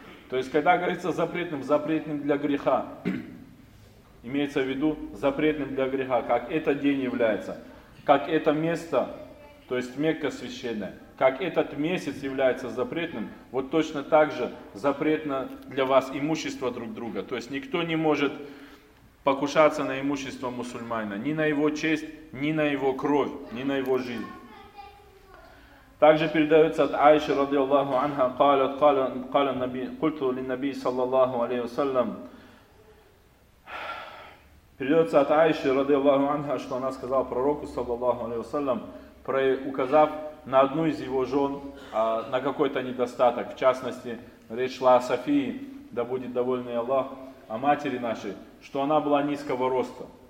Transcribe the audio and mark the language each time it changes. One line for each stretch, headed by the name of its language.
Russian: То есть, когда говорится запретным, запретным для греха, имеется в виду запретным для греха, как этот день является, как это место, то есть Мекка священная, как этот месяц является запретным, вот точно так же запретно для вас имущество друг друга. То есть никто не может покушаться на имущество мусульманина, ни на его честь, ни на его кровь, ни на его жизнь. Также передается от Аиши ради Аллаху анха,
Arabic: قال النبي قلت للنبي صلى الله عليه وسلم.
Russian: Передается от Аиши ради Аллаху анха, что она сказала пророку
Arabic: صلى الله عليه وسلم,
Russian: указав на одну из его жен, на какой-то недостаток. В частности, речь шла о Софии, да будет доволен Аллах, о матери нашей, что она была низкого роста.